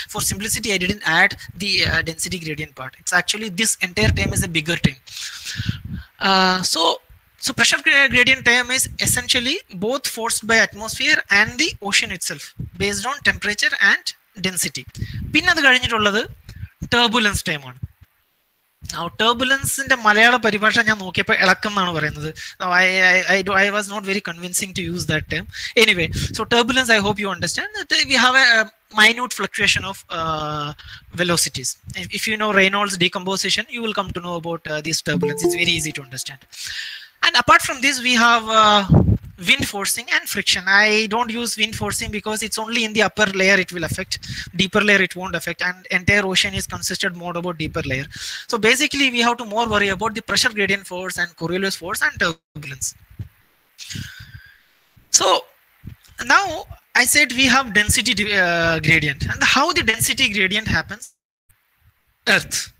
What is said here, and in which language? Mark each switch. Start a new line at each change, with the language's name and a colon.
English: For simplicity, I didn't add the density gradient part. It's actually, this entire term is a bigger term. So pressure gradient term is essentially both forced by atmosphere and the ocean itself, based on temperature and density.
Malayalam: Pinna adu kazhinjittullathu turbulence term aanu. Now, turbulence മലയാള പരിഭാഷ ഞാൻ നോക്കിയപ്പോൾ ഇളക്കം എന്നാണ് പറയുന്നത്.
English: I was not very convincing to use that term. Anyway, so turbulence, I hope you understand, we have a minute fluctuation of velocities. If you know Reynolds decomposition, you will come to know about these turbulence. It's very easy to understand. And apart from these, we have wind forcing and friction. I don't use wind forcing because it's only in the upper layer it will affect, deeper layer it won't affect, and entire ocean is consisted more about deeper layer. So basically, we have to more worry about the pressure gradient force and Coriolis force and turbulence. So now I said we have density gradient, and how the density gradient happens? Earth.